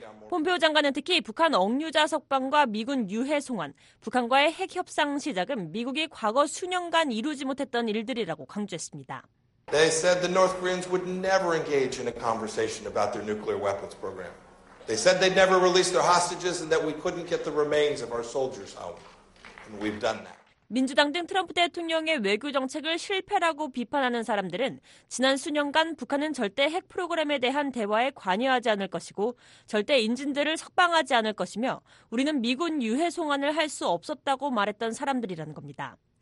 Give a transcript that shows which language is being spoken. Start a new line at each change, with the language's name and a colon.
Korean: 폼페오 장관은 특히 북한 억류자 석방과 미군 유해 송환, 북한과의 핵 협상 시작은 미국이 과거 수년간 이루지 못했던 일들이라고 강조했습니다.
English: They said the North Koreans would never engage in a conversation about their nuclear weapons program. They said they'd never release their hostages and that we couldn't get the remains of our soldiers home. And we've done that.
Korean: 민주당 등 트럼프 대통령의 외교 정책을 실패라고 비판하는 사람들은 지난 수년간 북한은 절대 핵 프로그램에 대한 대화에 관여하지 않을 것이고 절대 인진들을 석방하지 않을 것이며 우리는 미군 유해 송환을 할 수 없었다고 말했던 사람들이라는 겁니다.